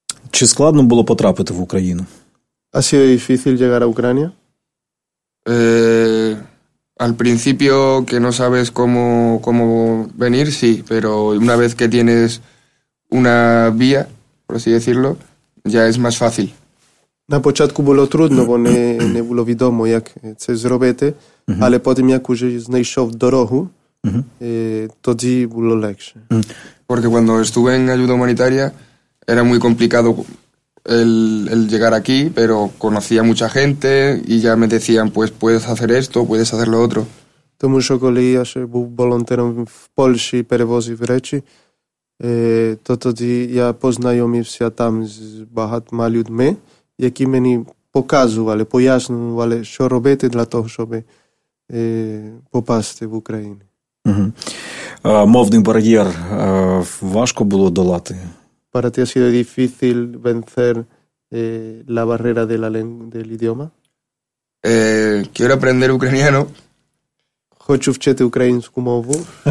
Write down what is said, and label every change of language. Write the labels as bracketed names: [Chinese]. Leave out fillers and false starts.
[Ukrainian] ¿Чи складно було потрапити в Україну? [Spanish] ¿Ha sido difícil llegar a Ucrania? Al principio, que no sabes cómo venir, sí, pero una vez que tienes una via, por así decirlo, ya es más fácil. [Ukrainian] На початку було трудно, бо не було відомо, як це зробити, але потім, як уже знайшов дорогу, тоді було легше. [Spanish] Porque cuando estuve en ayuda humanitaria, era muy complicado el llegar aquí, pero conocía mucha gente y ya me decían, pues puedes hacer esto, puedes hacer lo otro. [Ukrainian] Тому що коли я ще був волонтером в Польщі, перевозив речі, то тоді я познайомився там з багатьма людьми, які мені показували, пояснювали, що робити для того, щоб попасти в Україну. Мовний бар'єр важко було долати? [Spanish] Para ti ha sido difícil vencer la barrera de del idioma? Quiero aprender ucraniano. [Ukrainian] Хочу вчити українську мову.